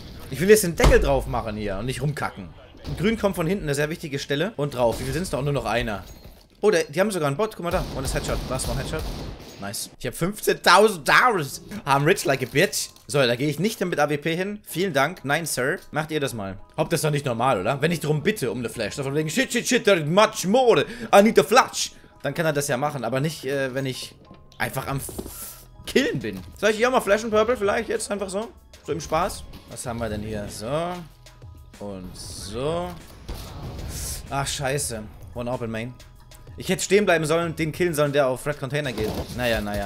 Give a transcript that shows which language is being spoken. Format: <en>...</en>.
<de>Ich will jetzt den Deckel drauf machen hier und nicht rumkacken. Und Grün kommt von hinten, eine sehr wichtige Stelle. Und drauf. Wie viel sind es da? Nur noch einer. Oh, die haben sogar einen Bot. Guck mal da.</de> <en>One is Headshot.</en> <de>Was?</de> <en>One Headshot.</en> <de>Nice. Ich habe 15.000 Dollars.</de> <en>I'm rich like a bitch.</en> <de>So, da gehe ich nicht mit AWP hin. Vielen Dank. Nein, Sir. Macht ihr das mal. Ob das doch nicht normal, oder? Wenn ich darum bitte, um eine Flash.</de> <en>Davon wegen, shit, there's much more. I need a flash.</en> <de>Dann kann er das ja machen. Aber nicht, wenn ich einfach am Killen bin. Soll ich hier auch mal flashen, Purple? Vielleicht jetzt einfach so? So im Spaß? Was haben wir denn hier? So. Und so. Ach, scheiße.</de> <en>One open main.</en> <de>Ich hätte stehen bleiben sollen und den killen sollen, der auf Red Container geht. Naja.</de>